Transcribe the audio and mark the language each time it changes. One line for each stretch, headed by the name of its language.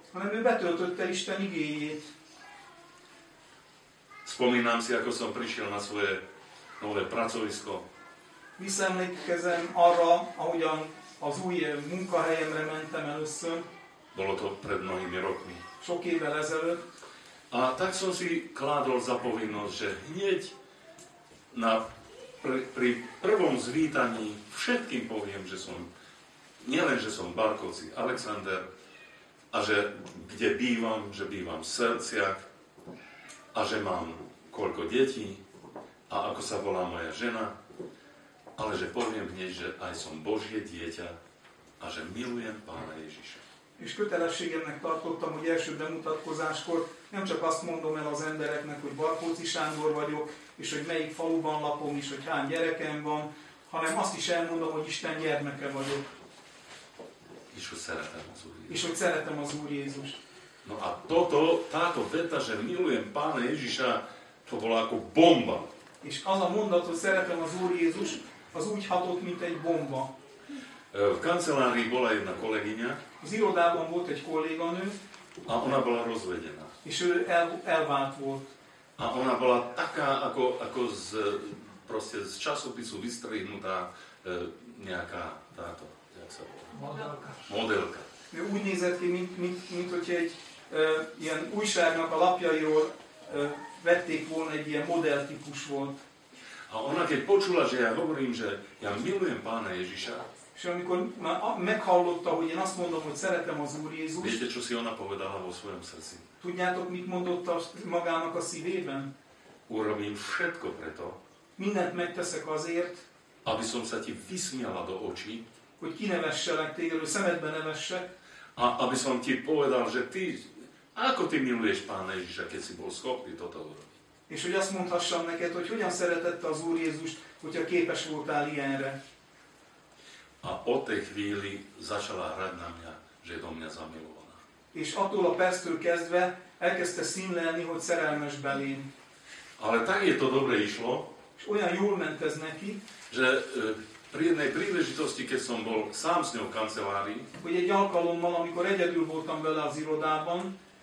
Hungarian: Hanem ő betöltötte Isten igényét.
Slovak: Spomínám si, ako som prišiel na svoje nové pracovisko.
Hungarian: Visszaemlékezem arra, ahogyan az új munkahelyemre mentem először.
Slovak: Bolo to pred mnohými rokmi.
Hungarian: Sok évvel ezelőtt.
Slovak: A tak som si kládol za povinnosť, že hneď na pri prvom zvítaní všetkým poviem, že som nielen, že som Barkovci Alexander a že kde bývam, že bývam v Srdciach a že mám koľko detí a ako sa volá moja žena, ale že poviem hneď, že aj som Božie dieťa a že milujem Pána Ježiša.
Hungarian: És kötelességemnek tartottam, hogy első bemutatkozáskor nem csak azt mondom el az embereknek, hogy Barkóczi Sándor vagyok, és hogy melyik faluban lapom is, hogy hány gyerekem van, hanem azt is elmondom, hogy Isten gyermeke vagyok. És hogy szeretem az Úr Jézust. És hogy szeretem az Úr Jézust.
Slovak: No a toto, táto veta, že milujem Pána Ježiša, to bola ako bomba.
Hungarian: És az a mondat, hogy szeretem az Úr Jézust, az úgy hatott, mint egy bomba.
Slovak: V kancelárii bola jedna kolegyňa.
Hungarian: Az irodában volt egy kolléganő.
Slovak: A ona bola rozvedená.
Hungarian: És ő elvált volt.
Slovak: A ona bola taká, ako z, proste z časopisu vystrihnutá nejaká táto, jak sa volá? Modelka.
Hungarian: Ő úgy nézett ki, mint hogy egy ilyen újságnak a lapjairól vették volna, egy ilyen modeltípus volt.
Slovak: A ona keď počula, že ja hovorím, že ja milujem Pána Ježiša,
Hungarian: és amikor meghallotta, hogy én azt mondom, hogy szeretem az Úr Jézust.
Slovak: Viete, čo si ona povedala vo svojom srdci?
Hungarian: Tudjátok, mit mondott magának a szívében?
Slovak: Urobím všetko preto.
Hungarian: Mindent megteszek azért.
Slovak: Aby som sa ti vysmiala do očí.
Hungarian: Hogy kinevesselek téged, hogy szemedbe nevessek.
Slovak: A aby som ti povedal, že ty, ako ty miluješ Pána Ježiša, keď si bol schopný toto urobiť.
Hungarian: És hogy azt mondhassam neked, hogy hogyan szeretette az Úr Jézust, hogyha képes voltál ilyenre.
Slovak: A od tej chvíli začala hrať na mňa, že je do mňa zamilovaná.
Hungarian: És attól a perctől kezdve elkezdte színlelni, hogy szerelmes belém.
Slovak: Ale tak je to dobre išlo.
Hungarian: És olyan jól ment ez neki.
Slovak: Že pri jednej príležitosti, keď som bol sám s ňou v kancelárii.
Hungarian: Hogy egy alkalommal, amikor egyedül voltam vele az irodában.